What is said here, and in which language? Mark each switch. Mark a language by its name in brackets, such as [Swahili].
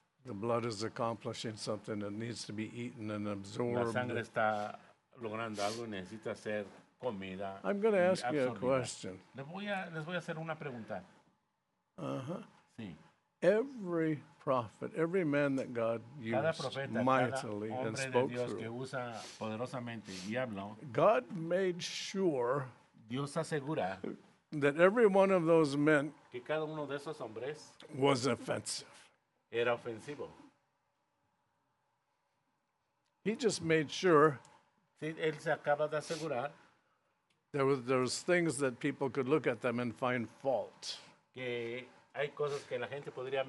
[English] The blood is accomplishing something that needs to be eaten and absorbed. [Spanish] La sangre está logrando algo y necesita ser comida. [English] I'm going to ask you a question. [Spanish] Les voy a hacer una pregunta. Sí. [English] Every prophet, every man that God used mightily and spoke through, [Spanish] que usa poderosamente y habló, [English] God made sure [Spanish] Dios asegura [English] that every one of those men [Spanish] que cada uno de esos hombres [English] was offensive. [Spanish] Era ofensivo. [English] He just made sure [Spanish] sí, él se acaba de asegurar [English] there was things that people could look at them and find fault. [Spanish] Que hay cosas que la gente podría mirar.